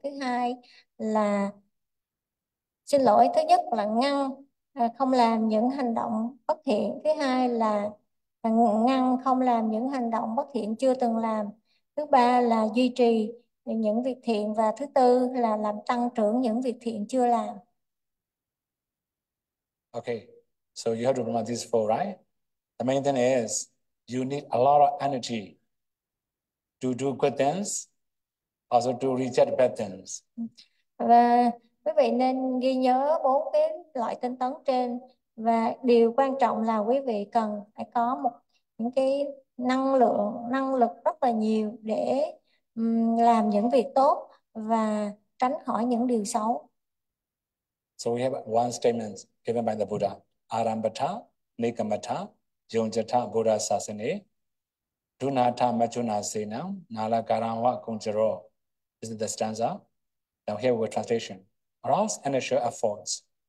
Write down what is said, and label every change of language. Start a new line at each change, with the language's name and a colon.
Vietnamese: Thứ hai là, xin lỗi, thứ nhất là ngăn không làm những hành động bất thiện. Thứ hai là ngăn không làm những hành động bất thiện chưa từng làm. Thứ ba là duy trì những việc thiện. Và thứ tư là làm tăng trưởng những việc thiện chưa làm.
English: Okay, so you have to remember these four, right? The main thing is you need a lot of energy to do good things, also to reject bad things.
Vietnamese: Và quý vị nên ghi nhớ bốn cái loại tinh tấn trên, và điều quan trọng là quý vị cần phải có một những cái năng lượng, năng lực rất là nhiều để làm những việc tốt và tránh khỏi những điều xấu.
English: So we have one statement given by the Buddha.
Pali: Arambatha, Nikamatha, Yonjata, Buddha Sasane, Dunatha, Majuna, Senam, Nalakaranwa, Kunjaro.
English: This is the stanza. Now here with translation. Arouse and assure efforts.